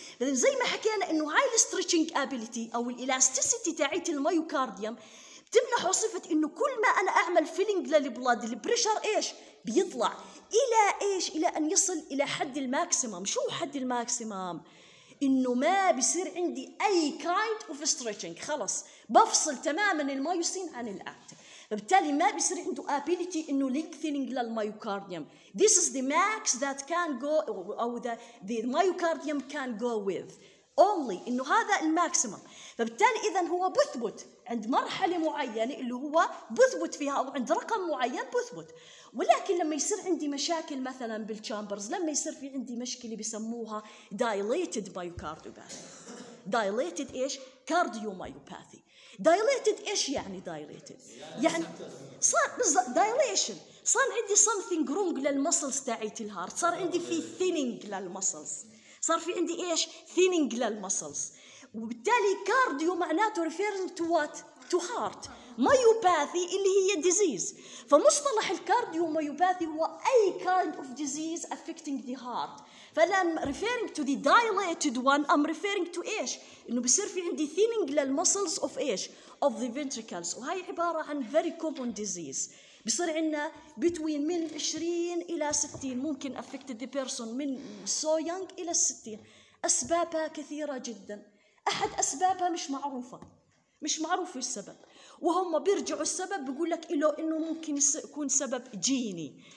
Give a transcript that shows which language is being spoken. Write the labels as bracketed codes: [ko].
[ar] زي ما حكينا انه هاي الستريتشنج ابيليتي او الالاستيسيتي تاعت الميوكارديوم تمنح صفه انه كل ما انا اعمل فيلينج للبلاد البريشر ايش بيطلع الى ايش؟ الى ان يصل الى حد الماكسيمم. شو حد الماكسيمم؟ انه ما بيصير عندي اي كايند اوف ستريتشنج، خلص بفصل تماما المايوسين عن الاكتين، فبالتالي ما بيصير عنده ability إنه lengthening للميوكارديوم. [en] This is the max that can go [ar] أو [en] the myocardium can go with only، [ar] إنه هذا الماكسيما. فبالتالي إذا هو بثبت عند مرحلة معينة اللي هو بثبت فيها أو عند رقم معين بثبت. ولكن لما يصير عندي مشاكل مثلا بالشامبرز، لما يصير في عندي مشكلة بسموها dilated myocardiopathy، dilated إيش؟ cardiomyopathy. dilated ايش يعني dilated؟ يعني صار dilation، صار عندي [en] something wrong [ar] للمسلز تاعت الهارت، صار عندي في thinning للمسلز، صار في عندي ايش؟ thinning للمسلز. وبالتالي [en] cardio [ar] معناته [en] referring to what؟ to heart. myopathy [ar] اللي هي [en] disease. [ar] فمصطلح الكارديو [en] myopathy [ar] هو اي [en] kind of disease affecting the heart. فلا I'm referring to the dilated one, I'm referring to إيش؟ [ar] إنه بصير في عندي [en] thinning للmuscles of إيش؟ of the ventricles. [ar] وهي عبارة عن [en] very common disease. [ar] بصير عندنا between من 20 إلى 60، ممكن [en] affect the person [ar] من [en] so young [ar] إلى 60. أسبابها كثيرة جدا. أحد أسبابها مش معروفة، مش معروف السبب. وهم بيرجعوا السبب بيقول لك إله إنه ممكن يكون سبب جيني.